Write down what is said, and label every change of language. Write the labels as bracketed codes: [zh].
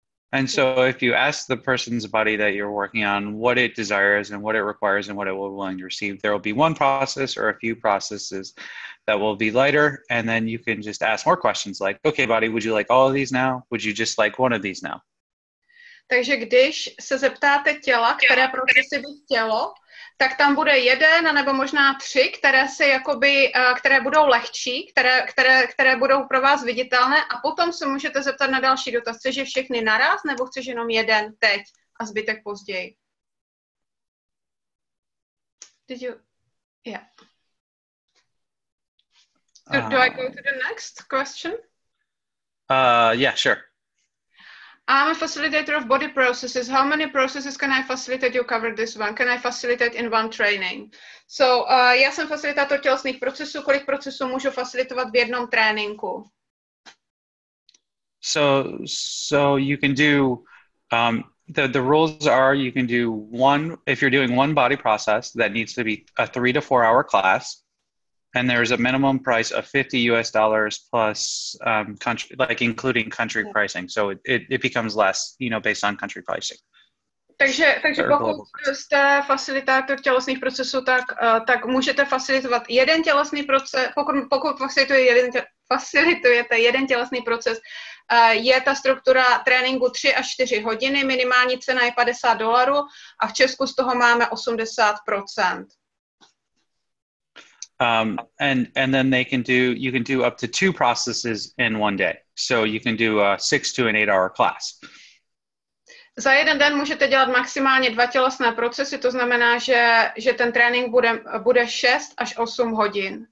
[en] And so if you ask the person's body that you're working on what it desires and what it requires and what it will be willing to receive, there will be one process or a few processes that will be lighter, and then you can just ask more questions like, okay, body, would you like all of these now? Would you just like one of these now? [cs] Takže když se zeptáte těla, které procesy by chtělo, tak tam bude jeden nebo možná tři, které budou lehčí, které budou pro vás viditelné, a potom se můžete zeptat na další dotaz. Chceš je všechny naraz nebo chceš jenom jeden teď a zbytek později? [en] Did you? Yeah. Do I go to the next question? Yeah, sure. I'm a facilitator of body processes. How many processes can I facilitate? You covered this one. Can I facilitate in one training? [cs] So, já jsem facilitátor tělesných procesů. Kolik procesů můžu facilitovat v jednom tréninku? [en] So you can do, the rules are you can do one, if you're doing one body process, that needs to be a 3 to 4 hour class. And there's a minimum price of $50 plus country, like including country pricing. So it becomes less, you know, based on country pricing. [cs] Takže pokud jste facilitátor tělesných procesů, tak můžete facilitovat jeden tělesný proces. Pokud facilitujete jeden tělesný proces, je ta struktura tréninku 3 až 4 hodiny, minimální cena je $50 a v Česku z toho máme 80%. [en] And then they can do, you can do up to two processes in one day. So you can do a 6 to 8 hour class. [cs] Za jeden den můžete dělat maximálně dva tělesné procesy, to znamená, že ten trénink bude 6 až 8 hodin.